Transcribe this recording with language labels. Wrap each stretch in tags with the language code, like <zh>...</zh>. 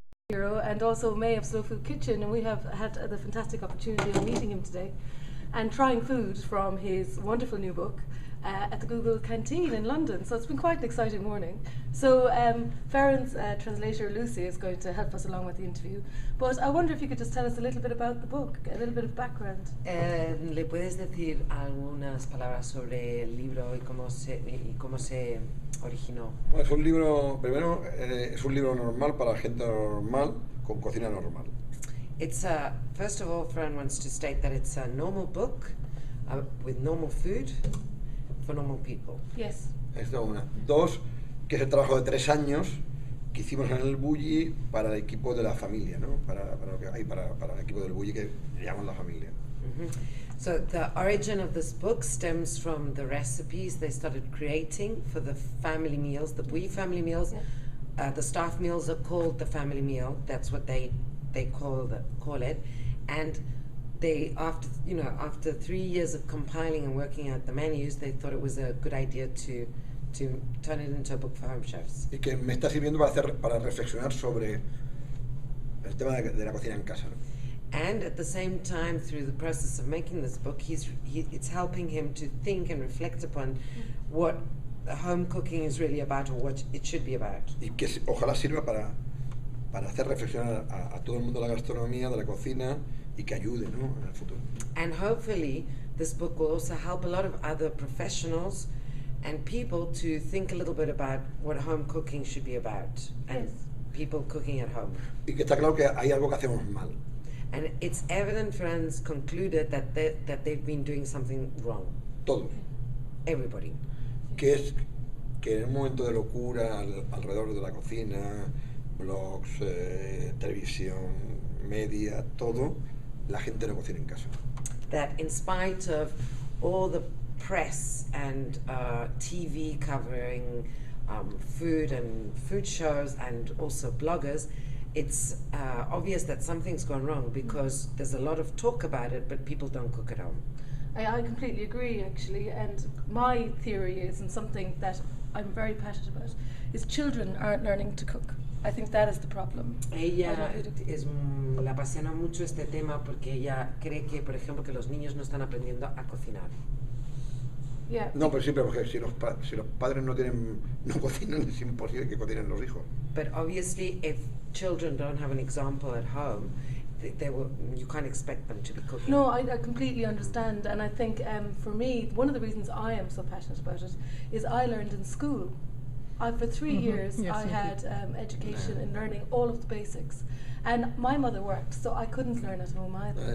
<en>and also May of Slow Food Kitchen, and we have had the fantastic opportunity of meeting him today and trying food from his wonderful new book at the Google Canteen in London. So it's been quite an exciting morning. So Farron's translator Lucy is going to help us along with the interview. But I wonder if you could just tell us a little bit about the book, a little bit of background.</en> <es>¿Le puedes decir algunas palabras sobre el libro y cómo se originó? Bueno, es un libro, primero, es un libro normal para gente normal con cocina normal.</es> <en>It's a, first of all, Farron wants to state that it's a normal book with normal food. For normal people. Yes.</en> <es>Esto una. Dos, que es el trabajo de tres años que hicimos en el Bulli para el equipo de la familia, ¿no? Para el equipo del Bulli que llamamos la familia. Mm-hmm.</es> <en>So the origin of this book stems from the recipes they started creating for the family meals, the Bulli family meals. Yeah. The staff meals are called the family meal. That's what they call it, and they, after 3 years of compiling and working out the menus, they thought it was a good idea to turn it into a book for home chefs.</en> <es>Y que me está sirviendo para reflexionar sobre el tema de la cocina en casa.</es> <en>And at the same time, through the process of making this book, it's helping him to think and reflect upon what home cooking is really about or what it should be about.</en> <es>Y que ojalá sirva para hacer reflexionar a todo el mundo de la gastronomía, de la cocina, y que ayude, ¿no?, en el futuro.</es> <en>And hopefully this book will also help a lot of other professionals and people to think a little bit about what home cooking should be about. Yes. And people cooking at home.</en> <es>Y que está claro que hay algo que hacemos mal.</es> <en>And it's evident friends concluded that they've been doing something wrong.</en> <es>Todo.</es> <en>Everybody.</en> <es>Que es que en un momento de locura alrededor de la cocina, blogs, televisión, media, todo, la gente no cocina en casa.</es> <en>That in spite of all the press and TV covering food and food shows and also bloggers, it's obvious that something's gone wrong because there's a lot of talk about it, but people don't cook at home. I completely agree, actually, and my theory is, and something that I'm very passionate about, is children aren't learning to cook. I think that is the problem.</en> <es>Ella es la apasiona mucho este tema porque ella cree que, por ejemplo, que los niños no están aprendiendo a cocinar. Yeah. No, pero siempre porque si los padres no cocinan, es imposible que cocinen los hijos.</es> <en>But obviously, if children don't have an example at home, you can't expect them to be cooking. No, I completely understand, and I think for me, one of the reasons I am so passionate about it is I learned in school. For 3 years, yes, I had education and learning all of the basics, and my mother worked, so I couldn't learn at home either.</en>